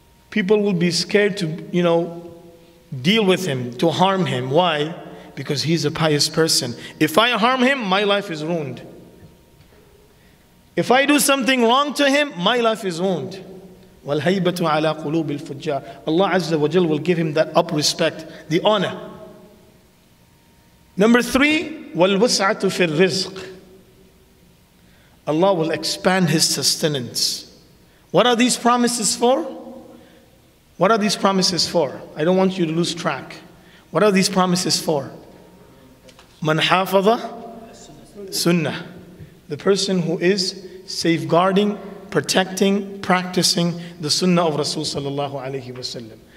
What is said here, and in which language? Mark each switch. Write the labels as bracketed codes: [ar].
[en] People will be scared to, you know, deal with him, to harm him. Why? Because he's a pious person. If I harm him, my life is ruined. If I do something wrong to him, my life is ruined. [ar] وَالْهَيْبَةُ عَلَىٰ قُلُوبِ الْفُجَّارِ. [en] Allah Azza wa Jal will give him that up respect, the honor. Number three, [ar] وَالْوُسْعَةُ فِي الرِّزْقِ. [en] Allah will expand his sustenance. What are these promises for? What are these promises for? I don't want you to lose track. What are these promises for? [ar] مَنْ حَافَظَ سُنَّةِ. [en] The person who is safeguarding, protecting, practicing the sunnah of Rasul sallallahu alayhi wa sallam.